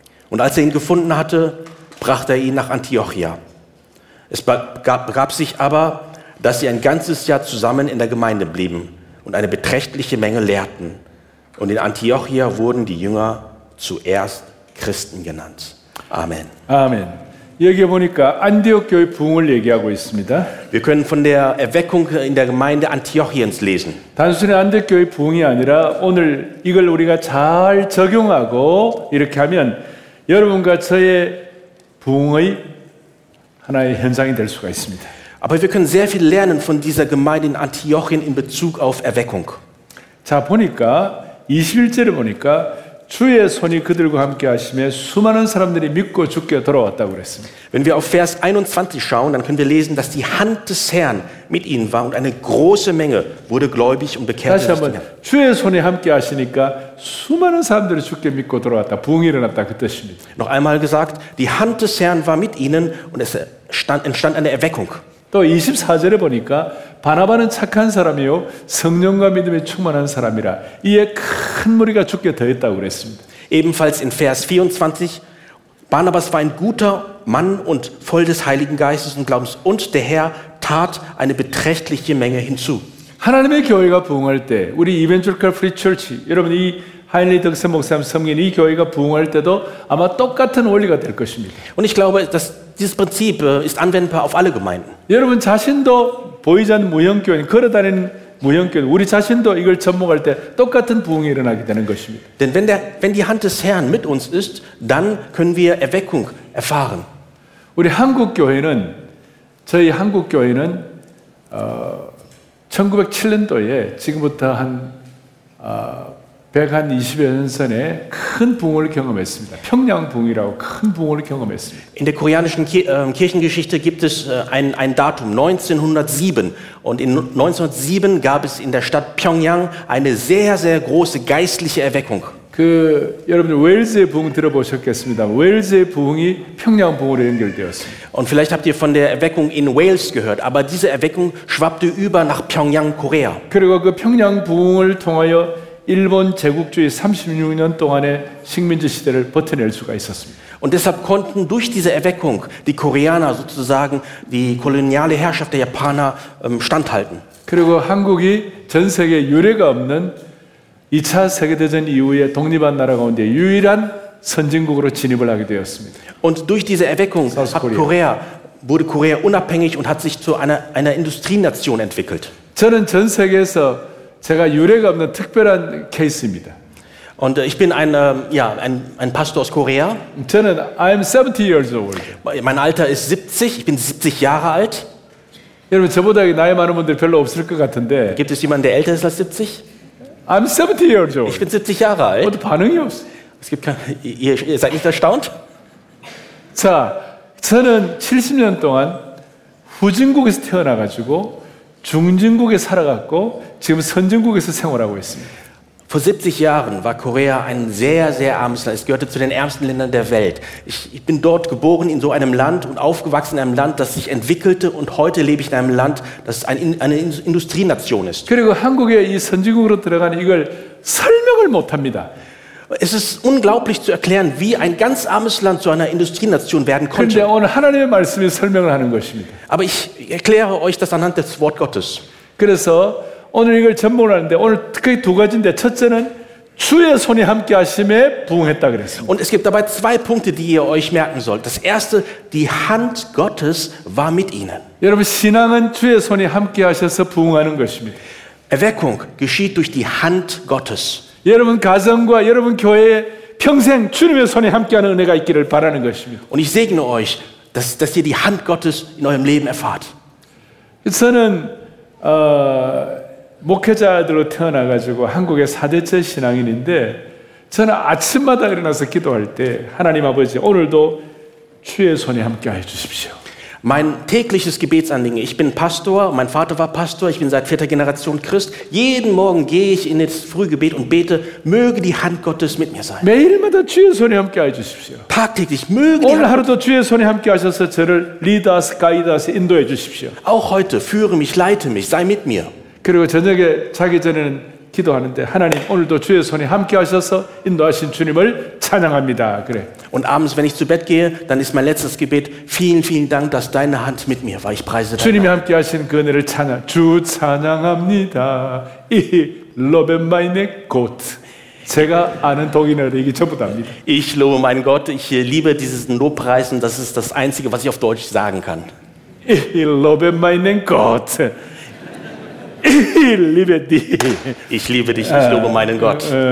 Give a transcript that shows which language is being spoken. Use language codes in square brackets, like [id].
[de] Und als er ihn gefunden hatte, brachte er ihn nach Antiochia. Es begab sich aber, dass sie ein ganzes Jahr zusammen in der Gemeinde blieben und eine beträchtliche Menge lehrten. Und in Antiochia wurden die Jünger zuerst Christen genannt. Amen. Amen. [ko] 여기 보니까 안디옥 교회 부흥을 얘기하고 있습니다. [de] Wir können von der Erweckung in der Gemeinde Antiochiens lesen. [ko] 단순히 안디옥 교회 부흥이 아니라 오늘 이걸 우리가 잘 적용하고 이렇게 하면 여러분과 저의 부흥의 하나의 현상이 될 수가 있습니다. [de] Aber wir können sehr viel lernen von dieser Gemeinde in Antiochien in Bezug auf Erweckung. [ko] 자, 보니까 21절을 보니까 주의 손이 그들과 함께 하심에 수많은 사람들이 믿고 주께 돌아왔다고 그랬습니다. [de] Wenn wir auf Vers 21 schauen, dann können wir lesen, dass die Hand des Herrn mit ihnen war und eine große Menge wurde gläubig und bekehrt. [ko] 다시 한번 주의 손이 함께 하시니까 수많은 사람들이 주께 믿고 돌아왔다. 부흥이 일어났다 그 뜻입니다. [de] Noch einmal gesagt, die Hand des Herrn war mit ihnen und es entstand eine Erweckung. [ko] 또 24절에 보니까 바나바는 착한 사람이요 성령과 믿음에 충만한 사람이라 이에 큰 무리가 주께 더했다고 그랬습니다. [de] Ebenfalls in Vers 24 Barnabas war ein guter Mann und voll des Heiligen Geistes und Glaubens und der Herr tat eine beträchtliche Menge hinzu. [ko] 하나님의 교회가 부흥할 때 우리 이벤트컬 프리 철치 여러분 이 하인리 덕선 목사님 섬긴 이 교회가 부흥할 때도 아마 똑같은 원리가 될 것입니다. [de] Und ich glaube, dass dieses Prinzip ist anwendbar auf alle Gemeinden. [ko] 여러분 자신도 보이지 않는 무형교회, 걸어다니는 무형교회, 우리 자신도 이걸 접목할 때 똑같은 부흥이 일어나게 되는 것입니다. [de] Denn wenn die Hand des Herrn mit uns ist, dann können wir Erweckung erfahren. [ko] 우리 한국교회는 저희 한국교회는 1907년도에 지금부터 한 120여 년 전에 큰 부흥을 경험했습니다. 평양 부흥이라고 큰 부흥을 경험했습니다. [de] In der koreanischen Kirchengeschichte gibt es ein Datum 1907 und in 1907 gab es in der Stadt Pyongyang eine sehr sehr große geistliche Erweckung. [ko] 그 여러분 웰즈의 부흥 들어보셨겠습니다. 웰즈의 부흥이 평양 부흥으로 연결되었습니다. [de] Und vielleicht habt ihr von der Erweckung in Wales gehört, aber diese Erweckung schwappte über nach Pyongyang, Korea. [ko] 그리고 그 평양 부흥을 통하여 일본 제국주의 36년 동안의 식민지 시대를 버텨낼 수가 있었습니다. [de] Und deshalb konnten durch diese Erweckung die Koreaner sozusagen die koloniale Herrschaft der Japaner standhalten. [ko] 그리고 한국이 전 세계 유례가 없는 2차 세계대전 이후에 독립한 나라 가운데 유일한 선진국으로 진입을 하게 되었습니다. [de] Und durch diese Erweckung wurde Korea unabhängig und hat sich zu einer Industrienation entwickelt. [ko] 저는 전 세계에서 제가 유례가 없는 특별한 케이스입니다. [de] Und ich bin ein Pastor aus Korea. [ko] 저는 [en] I'm 70 years old. [de] Mein Alter ist 70. Ich bin 70 Jahre alt. [ko] 여러분 저보다 나이 많은 분들 별로 없을 것 같은데. [de] Gibt es jemanden, der älter ist als 70? [en] I'm 70 years old. [de] Ich bin 70 Jahre alt. Und [ko] 반응이 없어. [de] Es gibt kein, ihr seid nicht erstaunt? [ko] 자, 저는 70년 동안 후진국에서 태어나가지고 중진국에 살아갔고 지금 선진국에서 생활하고 있습니다. [de] Vor 70 Jahren war Korea ein sehr, sehr armes Land. Es gehörte zu den ärmsten Ländern der Welt. Ich bin dort geboren in so einem Land und aufgewachsen in einem Land, das sich entwickelte. Und heute lebe ich in einem Land, das eine Industrienation ist. [ko] 그리고 한국에 이 선진국으로 들어간 이걸 설명을 못합니다. [de] Es ist unglaublich zu erklären, wie ein ganz armes Land zu einer Industrienation werden konnte. [ko] 그런데 오늘 하나님의 말씀이 설명을 하는 것입니다. [de] Aber ich erkläre euch das anhand des Wort Gottes. [ko] 그래서 오늘 이걸 전문을 하는데 오늘 특히 두 가지인데 첫째는 주의 손이 함께 하심에 부응했다 그랬어요. [de] Und es gibt dabei zwei Punkte, die ihr euch merken sollt. Das erste, die Hand Gottes war mit ihnen. [ko] 여러분 신앙은 주의 손이 함께 하셔서 부응하는 것입니다. [de] Erweckung geschieht durch die Hand Gottes. [ko] 여러분 가정과 여러분 교회에 평생 주님의 손이 함께 하는 은혜가 있기를 바라는 것입니다. [de] Und ich segne euch, dass ihr die Hand Gottes in eurem Leben erfahrt. [ko] 저는 목회자들로 태어나가지고 한국의 4대째 신앙인인데 저는 아침마다 일어나서 기도할 때 하나님 아버지 오늘도 주의 손이 함께하여 주십시오. [de] Mein tägliches Gebetsanliegen. Ich bin Pastor. Mein Vater war Pastor. Ich bin seit vierter Generation Christ. Jeden Morgen gehe ich in das Frühgebet und bete. Möge die Hand Gottes mit mir sein. [ko] 매일마다 주의 손이 함께하여 주십시오. [de] Tagtäglich möge. [ko] 오늘 하루도 주의 손이 함께하셔서 저를 [en] 리더스, 가이더스, [ko] 인도해 주십시오. [de] Auch heute führe mich, leite mich, sei mit mir. [ko] 그리고 저녁에 자기 전에는 기도하는데 하나님 오늘도 주의 손이 함께 하셔서 인도하신 주님을 찬양합니다. 그래. [de] Und abends wenn ich zu Bett gehe, dann ist mein letztes Gebet vielen vielen Dank, dass deine Hand mit mir war. Ich preise deine. [ko] 주님이 함께 하신 그 은혜를 찬양. 주 찬양합니다. [de] Ich lobe meine Gott. [ko] 제가 아는 독일어이기 전부답니다. [de] Ich lobe meinen Gott. Ich liebe dieses Lobpreisen, das ist das einzige, was ich auf Deutsch sagen kann. Ich lobe meinen Gott. Ich liebe dich. Ich liebe dich, ich lobe meinen Gott.